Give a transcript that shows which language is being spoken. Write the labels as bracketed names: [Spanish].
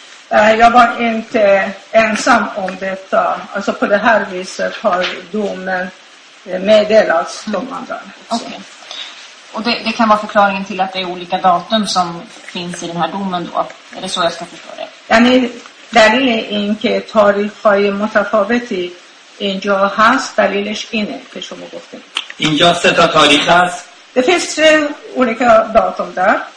[Swedish] Jag var inte ensam om detta. Alltså på det här viset har domen meddelats de andra. Och det kan vara förklaringen till att det är olika datum som finns i den här domen då. Är det så jag ska förstå det? [Persian] Yani دلیل این که تاریخ‌های متفاوتی اینجا هست دلیلش اینه که شما گفتید. اینجا سه تا تاریخ هست. [Swedish] Det finns tre olika datum där.